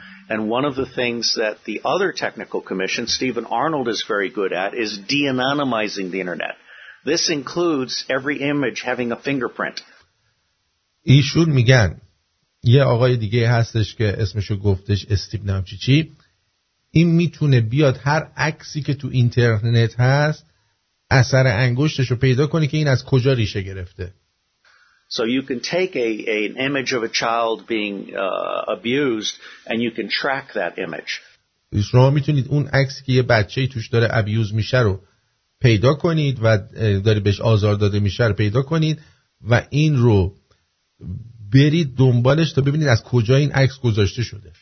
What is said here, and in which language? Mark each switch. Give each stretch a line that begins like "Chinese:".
English: And one of the things that the other technical commission, Stephen Arnold, is very good at is de-anonymizing the internet. This includes every image having a fingerprint.
Persian: ایشون میگن یه آقای دیگه هستش که اسمشو گفتش استیو نامچیچی، این میتونه بیاد هر عکسی که تو اینترنت هست اثر انگشتش رو پیدا کنه که این از کجا ریشه گرفته.
English: So you can take an image of a child being abused and you can track that image.
Persian: شما میتونید اون عکسی که یه بچه‌ای توش داره ابیوز میشه رو پیدا کنید و داره بهش آزار داده میشه رو پیدا کنید و این رو برید دنبالش تا ببینید از کجا این عکس گذاشته شده.